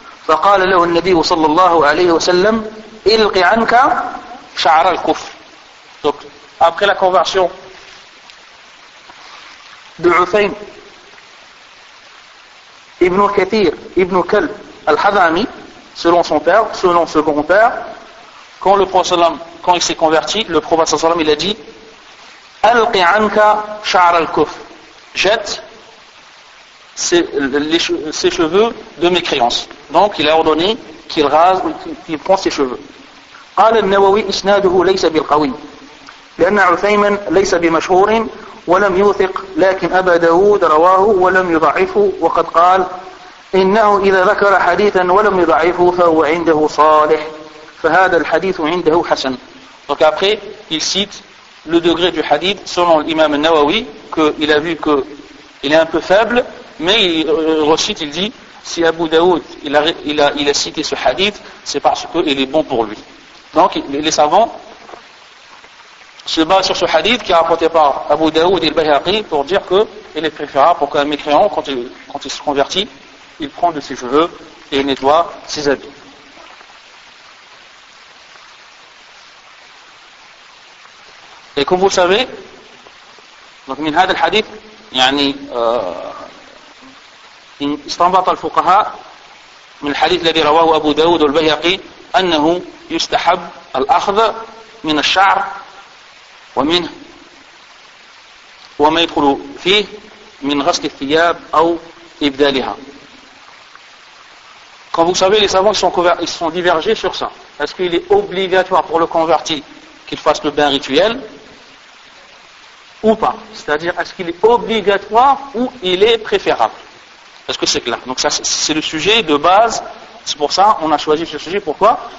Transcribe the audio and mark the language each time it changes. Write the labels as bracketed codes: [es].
[ar] فقال له النبي صلى الله عليه وسلم إلقي عنك شعر الكف. [fr] Donc après la conversion de Uthaym ibn Kathir ibn Kalb al-Hadrami, selon son père, selon ce grand-père, quand le prophète sallam, quand il s'est converti, le prophète sallam, il a dit [ar] إلقي عنك شعر الكف, [fr] jette ses cheveux de mécréance. Donc il a ordonné qu'il rase ou qu'il prend ses cheveux. [ar] قال النووي إسناده ليس بالقوي لأن عثيما ليس بمشهور ولم يوثق لكن أبا داود رواه ولم يضعفه وقد قال إنه إذا ذكر حديثا ولم يضعفه فهو عنده صالح فهذا الحديث عنده حسن. [fr] Donc après il cite le degré du hadith selon l'imam al-Nawawi qu'il a vu qu'il est un peu faible. Mais il recite, il dit, si Abu Daoud il a cité ce hadith, c'est parce qu'il est bon pour lui. Donc les savants se basent sur ce hadith qui est rapporté par Abu Daoud et le Bayhaqi pour dire qu'il est préférable pour qu'un mécréant, quand il se convertit, il prend de ses cheveux et nettoie ses habits. Et comme vous savez, donc [ar] min hadha al-hadith, yani استنبط الفقهاء من الحديث الذي رواه أبو داود والبيهقي أنه يستحب الأخذ من الشعر ومنه وما يدخل فيه من غسل الثياب أو إبدالها. [fr] Quand vous savez, les savants ils sont divergés sur ça. Est-ce qu'il est obligatoire pour le converti qu'il fasse le bain rituel ou pas? C'est-à-dire, est-ce qu'il est obligatoire ou il est préférable? Est-ce que c'est clair? Donc ça, c'est le sujet de base. C'est pour ça qu'on a choisi ce sujet. Pourquoi?